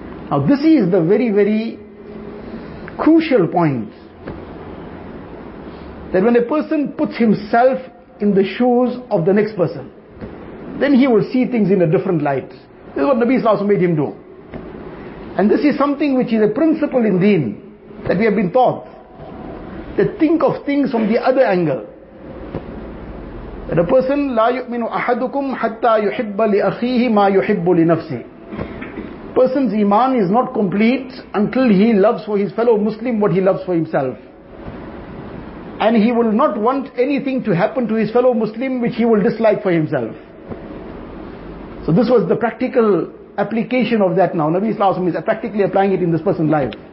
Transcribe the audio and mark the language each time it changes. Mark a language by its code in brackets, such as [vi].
[en] Now this is the very, very crucial point, that when a person puts himself in the shoes of the next person, then he will see things in a different light. This is what Nabi Sallallahu Alaihi made him do. And this is something which is a principle in deen that we have been taught, that think of things from the other angle. That a person, [ar] لا يؤمن أحدكم حتى يحب لأخيه ما يحب لنفسه. [en] Person's iman is not complete until he loves for his fellow Muslim what he loves for himself. And he will not want anything to happen to his fellow Muslim which he will dislike for himself. So this was the practical application of that now. Nabi Sallallahu Alaihi Wasallam is practically applying it in this person's life.